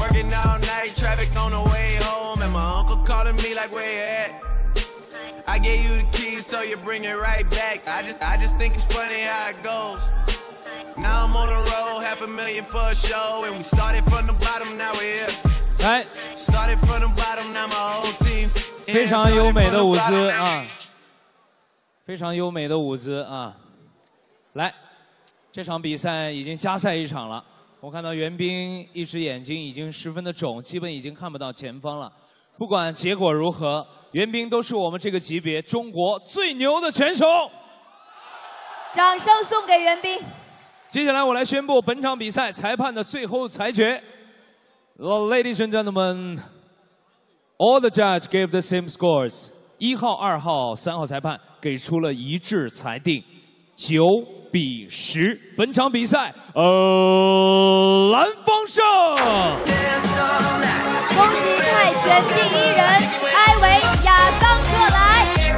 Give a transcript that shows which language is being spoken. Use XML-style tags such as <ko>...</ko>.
<en>Working all night, traffic on the way home. And my uncle calling me like, where you at? I gave you the keys, so you bring it right back. I just think it's funny how it goes. Now I'm on the road, half a million for a show. And we started from the bottom, now we're here. Right. Started from the bottom, now my whole team.</en> <zh>非常优美的舞姿啊，非常优美的舞姿啊，来。这场比赛已经加赛一场了，我看到袁冰一只眼睛已经十分的肿，基本已经看不到前方了。不管结果如何，袁冰都是我们这个级别中国最牛的拳手，掌声送给袁冰。接下来我来宣布本场比赛裁判的最后裁决。</zh> <en>Ladies and gentlemen, all the judge gave the same scores.</en> <zh>一号、二号、三号裁判给出了一致裁定，9-10，本场比赛，蓝方胜。恭喜泰拳第一人，艾维亚桑克莱。</zh>